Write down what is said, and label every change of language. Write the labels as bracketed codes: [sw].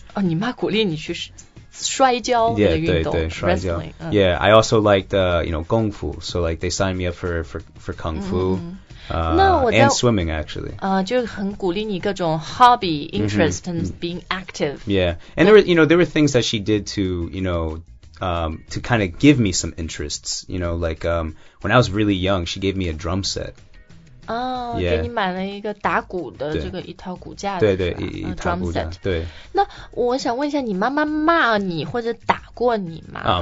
[zh] Oh, 你妈鼓励你去摔跤的运动 yeah, 对对摔跤 [en] wrestling.、 Yeah, I also liked, you know, 功夫. So, like, they signed me up for kung fu. And swimming, actually. [zh] 就很鼓励你各种 [en] hobby, interest, and being active. Yeah. And, there were things that she did to, you know,to kind of give me some interests, you know, like, when I was really young, she gave me a drum set. Yeah. [zh] 给你买了一个打鼓的这个一套骨架的是吧？对对，一套骨架。对。那我想问一下，你妈妈骂你或者打过你吗？